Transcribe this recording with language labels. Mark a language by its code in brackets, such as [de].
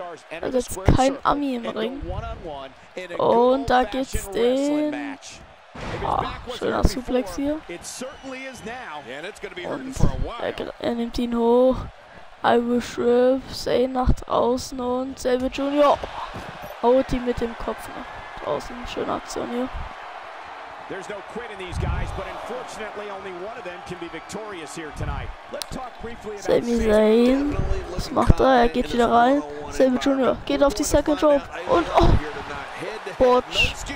[de] Da ist jetzt kein Ami im Ring. Und da geht's den. Ah, schöner Suplex hier. Und er nimmt ihn hoch. Irish Rip, Zane nach draußen und Sabre Junior. Haut ihn mit dem Kopf nach draußen. Schöne Aktion hier. [en] There's no quit in these guys, but unfortunately only one of them can be victorious here tonight. Let's talk briefly about Sami Zayn. [de] Was macht er? Er geht wieder rein. Sami Junior geht auf die Second Rope und oh, Botch.